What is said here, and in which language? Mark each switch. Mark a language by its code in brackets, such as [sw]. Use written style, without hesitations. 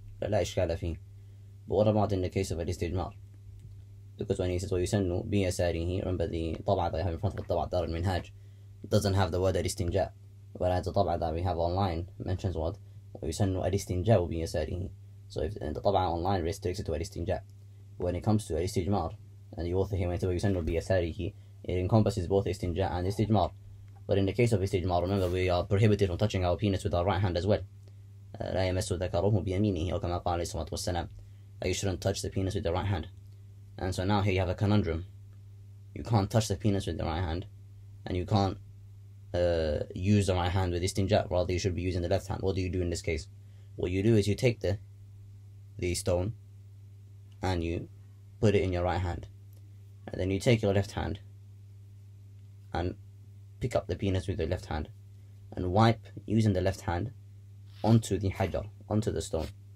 [en] But what about in the case of الاستجمار? Because when he says [ar] وَيُسَنُّ بِيَسَارِهِ, [en] remember the طَبْعَ that I have in front of the طَبْعَ دَارِ الْمِنْهَاج doesn't have the word الاستنجاء, whereas the طَبْعَ that we have online mentions what [ar] وَيُسَنُّ الْإِسْتِنْجَاءُ بِيَسَارِهِ. [en] So if the طبعة online restricts it to الاستنجاء, when it comes to الاستجمار, and the author here went to [ar] وَيُسَنُّ بِيَسَارِهِ, [en] it encompasses both استنجاء and استجمار. But in the case of استجمار, remember we are prohibited from touching our penis with our right hand as well. [ar] لا يمس ذكره بيمينه وكما قال صلى الله عليه وسلم. [en] You shouldn't touch the penis with the right hand. And so now here you have a conundrum. You can't touch the penis with the right hand, and you can't use the right hand with istinja, rather you should be using the left hand. What do you do in this case? What you do is you take the stone and you put it in your right hand, and then you take your left hand and pick up the penis with the left hand and wipe using the left hand onto the hajar, onto the stone.